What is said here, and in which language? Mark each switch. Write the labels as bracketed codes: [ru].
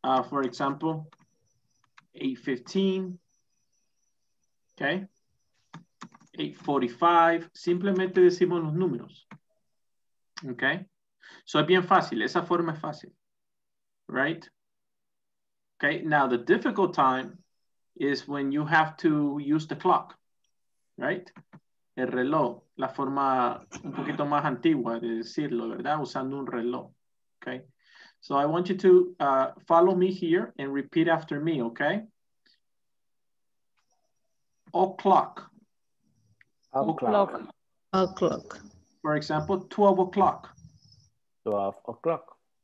[en] For example, 8:15, okay. [es] 8:45, simplemente decimos los números, okay? So es bien fácil, esa forma es fácil, right? [en] Okay, now the difficult time is when you have to use the clock, right? [es] El reloj, la forma un poquito más antigua de decirlo, ¿verdad? Usando un reloj, okay? [en] So I want you to follow me here and repeat after me, okay? O'clock. O'clock. O'clock. For example, 12 o'clock. 12 o'clock.